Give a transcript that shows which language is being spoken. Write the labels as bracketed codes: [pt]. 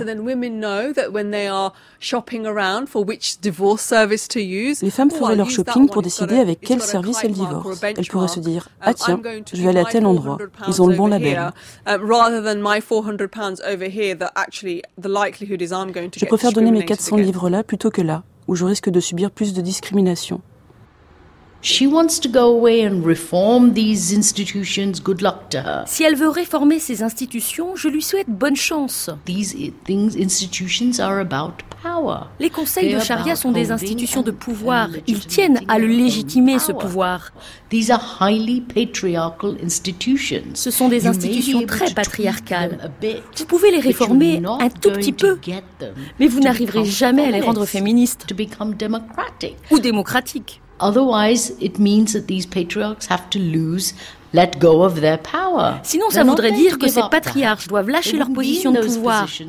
[fr] Les femmes feraient leur shopping pour décider avec quel service elles divorcent. Elles pourraient se dire, ah tiens, je vais aller à tel endroit, ils ont le bon label. Je préfère donner mes 400 livres là plutôt que là, où je risque de subir plus de discrimination. [en] She wants to go away and reform these institutions. Good luck to her. [fr] Si elle veut réformer ces institutions, je lui souhaite bonne chance. [en] These things, institutions are about power. [fr] Les conseils de charia sont des institutions de pouvoir. Ils tiennent à le légitimer, ce pouvoir. [en] These are highly patriarchal institutions. [fr] Ce sont des institutions très patriarcales. Vous pouvez les réformer un tout petit peu, mais vous n'arriverez jamais à les rendre féministes ou démocratiques. [en] Otherwise, it means that these patriarchs have to lose, let go of their power. [fr] Sinon, ça voudrait dire que ces patriarches doivent lâcher leur position de pouvoir.